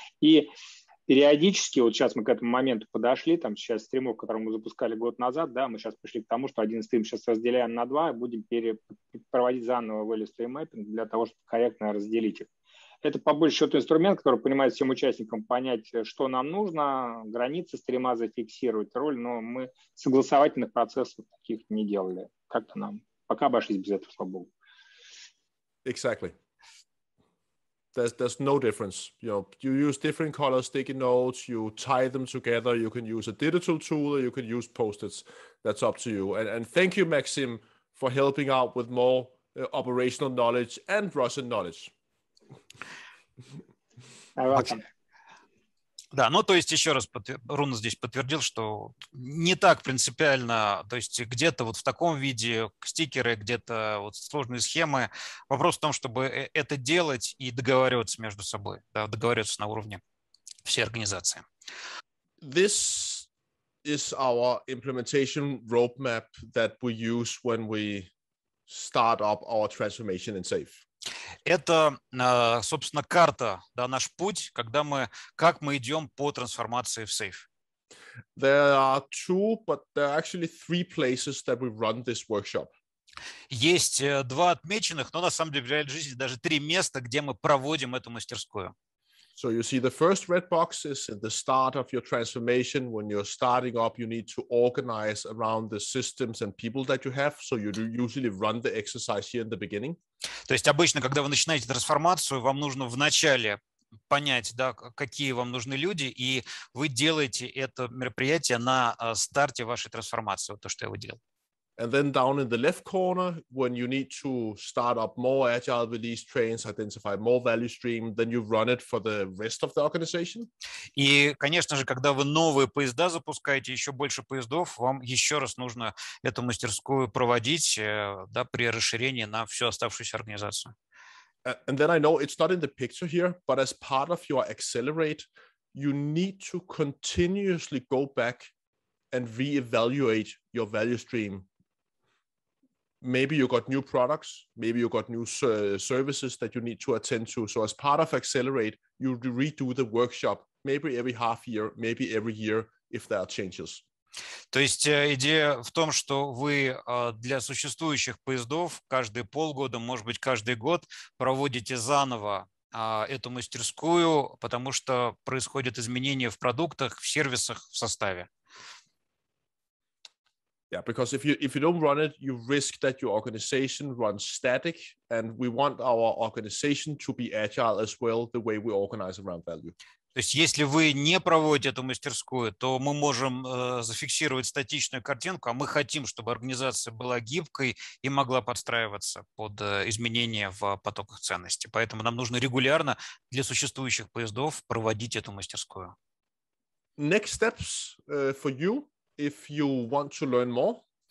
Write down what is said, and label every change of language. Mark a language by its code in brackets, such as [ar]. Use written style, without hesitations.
[ru] И периодически, вот сейчас мы к этому моменту подошли, там сейчас стримов, который мы запускали год назад, да, мы сейчас пришли к тому, что один стрим сейчас разделяем на два, и будем проводить заново value stream mapping для того, чтобы корректно разделить их. Это, по большей счету, инструмент, который помогает всем участникам понять, что нам нужно, границы стрима зафиксировать, роль, но мы согласовательных процессов таких не делали. Как-то нам пока обошлись без этого, слава богу. [en] Exactly. There's no difference. You know, you use different color sticky notes, you tie them together, you can use a digital tool, or you can use post-its. That's up to you. And thank you, Maxim, for helping out with more operational knowledge and Russian knowledge. [ru] Да, ну то есть еще раз Руна здесь подтвердил, что не так принципиально, то есть где-то вот в таком виде стикеры, где-то вот сложные схемы. Вопрос в том, чтобы это делать и договариваться между собой, да, договариваться на уровне всей организации. [en] This is our implementation roadmap that we use when we start up our transformation in SAFe. [ru] это, собственно, карта, да, наш путь, когда мы, как мы идем по трансформации в Safe. [en] There are two, but there are actually three places that we run this workshop. [ru] Есть два отмеченных, но на самом деле в реальной жизни даже три места, где мы проводим эту мастерскую. [en] So you see, the first red box is at the start of your transformation. When you're starting up, you need to organize around the systems and people that you have. So you usually run the exercise here in the beginning. [ru] То есть обычно, когда вы начинаете трансформацию, вам нужно вначале понять, да, какие вам нужны люди, и вы делаете это мероприятие на старте вашей трансформации, вот то, что я выделил. [en] And then down in the left corner, when you need to start up more agile release trains, identify more value stream, then you run it for the rest of the organization. [ru] И, конечно же, когда вы новые поезда запускаете, еще больше поездов, вам еще раз нужно эту мастерскую проводить, да, при расширении на всю оставшуюся организацию. [en] And then I know it's not in the picture here, but as part of your accelerate, you need to continuously go back and reevaluate your value stream. Maybe you got new products, maybe you got new services that you need to attend to. So as part of Accelerate, you redo the workshop, maybe every half year, maybe every year, if there are changes. [ru] То есть идея в том, что вы для существующих поездов каждые полгода, может быть, каждый год проводите заново эту мастерскую, потому что происходят изменения в продуктах, в сервисах, в составе. [en] Yeah, because if you don't run it, you risk that your organization runs static, and we want our organization to be agile as well, the way we organize around value. [ru] То есть, если вы не проводите эту мастерскую, то мы можем зафиксировать статичную картинку, а мы хотим, чтобы организация была гибкой и могла подстраиваться под изменения в потоках ценностей. Поэтому нам нужно регулярно для существующих поездов проводить эту мастерскую. [en] Next steps for you, if you want to learn more.